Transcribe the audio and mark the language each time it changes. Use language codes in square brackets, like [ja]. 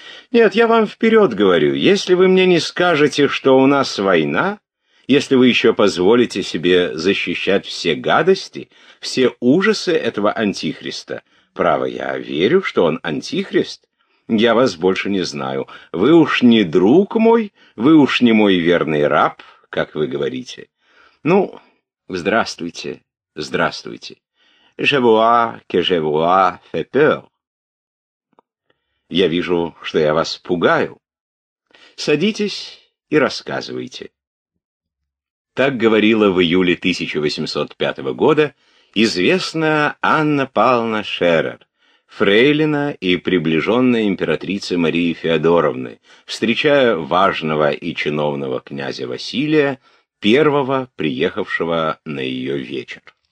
[ru] Нет, я вам вперед говорю, если вы мне не скажете, что у нас война, если вы еще позволите себе защищать все гадости, все ужасы этого антихриста, право, я верю, что он антихрист, я вас больше не знаю. Вы уж не друг мой, вы уж не мой верный раб, как вы говорите. Ну, здравствуйте, здравствуйте. [fr] Je vois que je vous fais peur. [ru] Я вижу, что я вас пугаю. Садитесь и рассказывайте. Так говорила в июле 1805 года известная Анна Павловна Шерер, фрейлина и приближенная императрицы Марии Феодоровны, встречая важного и чиновного князя Василия, первого приехавшего на ее вечер.